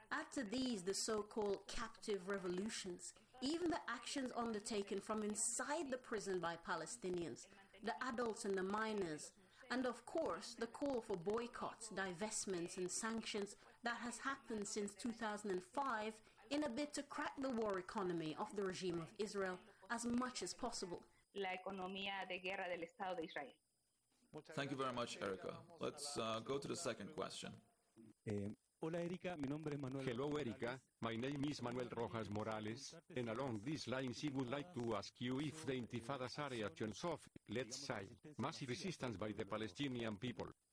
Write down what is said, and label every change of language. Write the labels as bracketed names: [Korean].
[English] After these, the so-called captive revolutions, even the actions undertaken from inside the prison by Palestinians, the adults and the minors, and of course, the call for boycotts, divestments, and sanctions that has happened since 2005 in a bid to crack the war economy of the regime of Israel as much as possible. [Spanish] La economía de guerra del Estado de Israel. [English] Thank you very much, Erica. Let's go to the second question. [Spanish] Hola, Erica. Mi nombre es Manuel. [English] Hello, Erica. My name is Manuel Rojas Morales. And along these lines, I would like to ask you if the Intifada's reactions of, let's say, massive resistance by the Palestinian people.